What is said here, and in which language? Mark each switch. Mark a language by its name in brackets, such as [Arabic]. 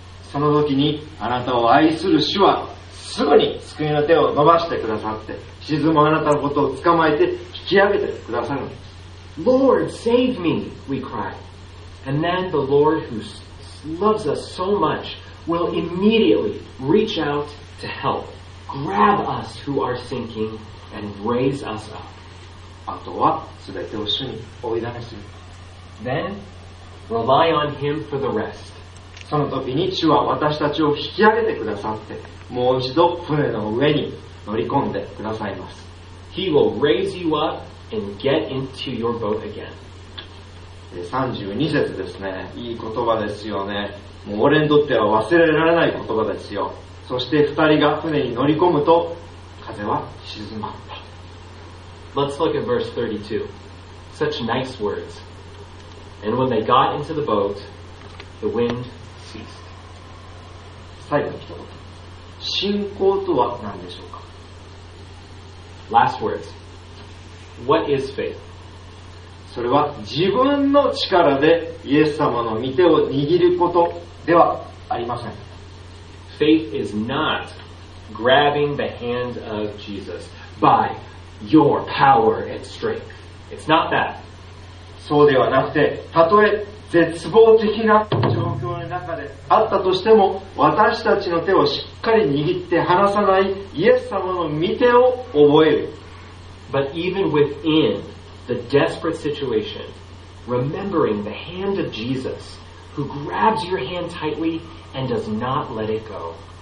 [Japanese] その時にあなたを愛する主はすぐに救いの手を伸ばしてくださって、沈むあなたのことを捕まえて引き上げてくださるんです。 [English] Lord, save me, we cry. And then the Lord who loves us so much will immediately reach out to help. Grab us who are sinking and raise us up. [Japanese] あとは全てを主に追い出す。 [English] Then, rely on him for the rest. [Japanese] その時に主は私たちを引き上げてくださって、もう一度船の上に乗り込んでくださいます。 [English] He will raise you up. And get into your boat again. [Japanese] 32節ですね。いい言葉ですよね。もう俺にとっては忘れられない言葉ですよ。そして2人が船に乗り込むと風は静まった。 [English] Let's look at verse 32. Such nice words. And when they got into the boat, the wind ceased. [Japanese] 最後の一言。信仰とは何でしょうか? [English] Last words. What is faith? [Japanese] それは自分の力でイエス様の御手を握ることではありません。 [English] Faith is not grabbing the hand of Jesus by your power and strength. It's not that. [Japanese] そうではなくて、たとえ絶望的な状況の中であったとしても、私たちの手をしっかり握って離さないイエス様の御手を覚える。 [English] But even within the desperate situation, remembering the hand of Jesus, who grabs your hand tightly and does not let it go.